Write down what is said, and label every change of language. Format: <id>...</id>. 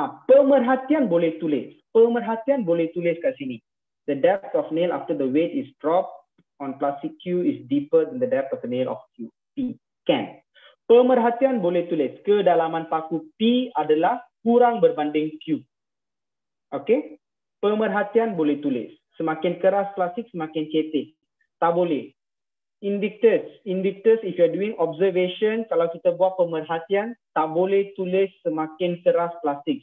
<ms>Pemerhatian boleh tulis. Pemerhatian boleh tulis kat sini.</ms> <en>The depth of nail after the weight is dropped on plastic Q is deeper than the depth of the nail of Q. P. Can.</en> <ms>Pemerhatian boleh tulis. Kedalaman paku P adalah kurang berbanding Q.</ms> <en>Okay?</en> <ms>Pemerhatian boleh tulis. Semakin keras plastik, semakin cetek. Tak boleh. Invictus. Invictus,</ms> <en>if you're doing observation,</en> <ms>kalau kita buat pemerhatian, tak boleh tulis semakin keras plastik.</ms>